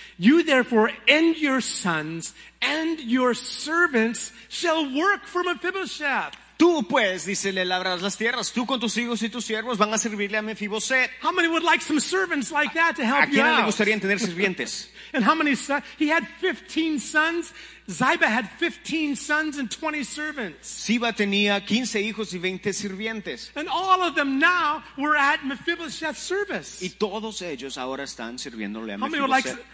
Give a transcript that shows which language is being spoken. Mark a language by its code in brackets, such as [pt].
[en] You therefore and your sons and your servants shall work for Mephibosheth. [es] Tú pues, dice, le labrarás las tierras. Tú con tus hijos y tus siervos van a servirle a Mephibosheth. [en] How many would like some servants like that to help you out? [es] ¿A quién le gustaría tener sirvientes? [en] And how many sons? He had 15 sons. Ziba had 15 sons and 20 servants. [es] Ziba tenía 15 hijos y 20 sirvientes. [en] And all of them now were at Mephibosheth's service. [es] Y todos ellos ahora están sirviéndole a Mephibosheth.